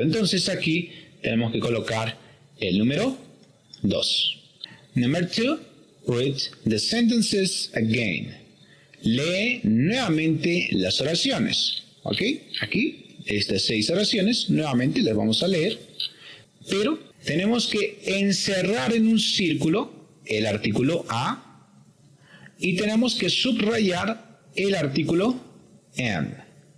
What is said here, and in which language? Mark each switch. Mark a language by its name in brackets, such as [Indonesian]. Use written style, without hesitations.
[Spanish] Entonces aquí tenemos que colocar el número 2. [English] Number 2, read the sentences again. [Spanish] Lee nuevamente las oraciones. ¿Ok? Aquí, estas 6 oraciones, nuevamente las vamos a leer, pero tenemos que encerrar en un círculo el artículo A y tenemos que subrayar el artículo AND.